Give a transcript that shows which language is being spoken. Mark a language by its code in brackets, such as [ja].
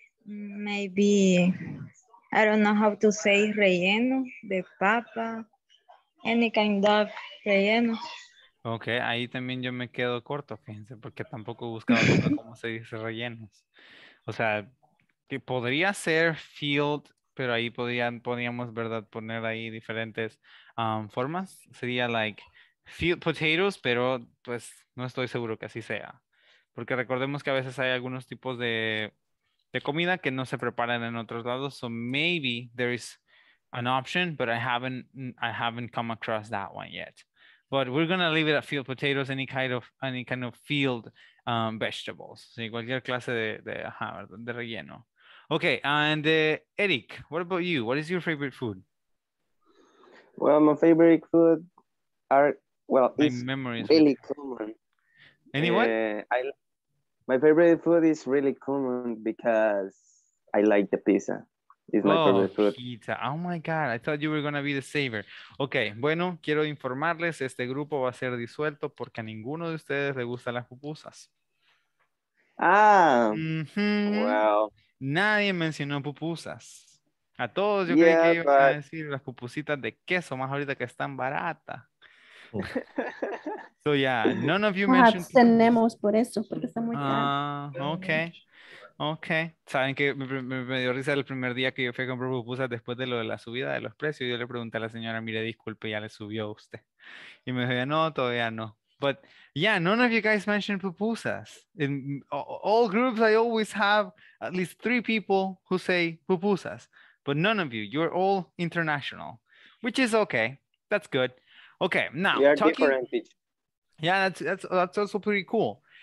[en] Maybe, I don't know how to say [es] relleno de papa. [en] Any kind of relleno. [es] Ok, ahí también yo me quedo corto, fíjense, porque tampoco he buscado cómo se dice rellenos. O sea, que podría ser field, pero ahí podríamos, ¿verdad?, poner ahí diferentes formas. Sería [en] like field potatoes, [es] pero pues no estoy seguro que así sea. Porque recordemos que a veces hay algunos tipos de comida que no se preparan en otros lados. [en] So maybe there is an option, but I haven't come across that one yet. But we're going to leave it at field potatoes, any kind of field vegetables. [es] Sí, cualquier clase de relleno. [en] Okay, and Eric, what about you? What is your favorite food? Well, my favorite food is memories really common. Anyone? My favorite food is really common because I like the pizza. Pizza. Oh my God, I thought you were going to be the saver. [es] Ok, bueno, quiero informarles, este grupo va a ser disuelto porque a ninguno de ustedes le gustan las pupusas. Ah, Wow. Nadie mencionó pupusas. A todos yo creí que iban a decir las pupusitas de queso, más ahorita que están baratas. [en] So yeah, none of you mentioned [es] tenemos por eso, porque está muy caro. Ok. Ok, saben que me dio risa el primer día que yo fui a comprar pupusas después de lo de la subida de los precios. Yo le pregunté a la señora, mire, disculpe, ya le subió a usted. Y me dijo, no, todavía no. [en] But yeah, none of you guys mentioned pupusas. In all groups, I always have at least 3 people who say pupusas. But none of you, you're all international, which is okay. That's good. Okay, now. We are different. Yeah, that's also pretty cool.